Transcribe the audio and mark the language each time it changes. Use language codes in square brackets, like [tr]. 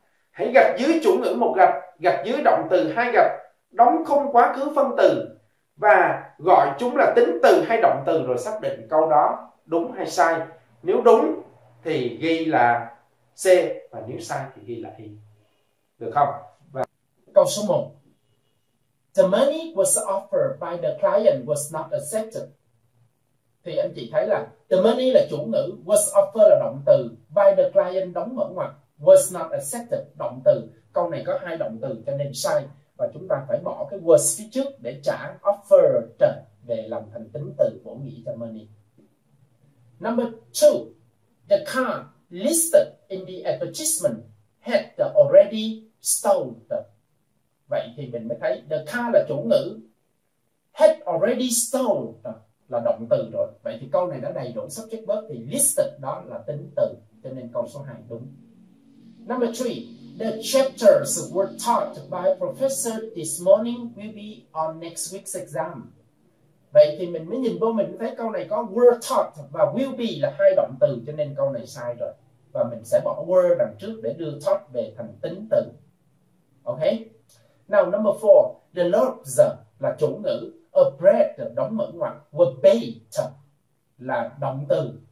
[vi] Hãy gạch dưới chủ ngữ một gạch, gạch dưới động từ hai gạch, đóng khung quá khứ phân từ và gọi chúng là tính từ hay động từ rồi xác định câu đó đúng hay sai. Nếu đúng thì ghi là C và nếu sai thì ghi là Y. Được không? Và... Câu số 1. [en] The money was offered by the client was not accepted. [vi] Thì anh chị thấy là the money là chủ ngữ, was offered là động từ, by the client đóng mở ngoặc, [en] was not accepted, [vi] động từ. Câu này có hai động từ cho nên sai. Và chúng ta phải bỏ cái was phía trước để trả offered về làm thành tính từ bổ nghĩa cho money. [en] Number 2. The car listed in the advertisement had the already stolen. [vi] Vậy thì mình mới thấy the car là chủ ngữ, had already stolen là động từ rồi. Vậy thì câu này đã đầy đủ subject verb thì listed đó là tính từ. Cho nên câu số 2 đúng. [en] Number 3. The chapters were taught by professor this morning will be on next week's exam. [vi] Vậy thì mình mới nhìn vô mình thấy câu này có were taught và will be là hai động từ cho nên câu này sai rồi. Và mình sẽ bỏ were đằng trước để đưa taught về thành tính từ. [en] Ok? Now number 4. The loaves [vi] là chủ ngữ. A bread đóng mở ngoặc. [en] Were baked [vi] là động từ.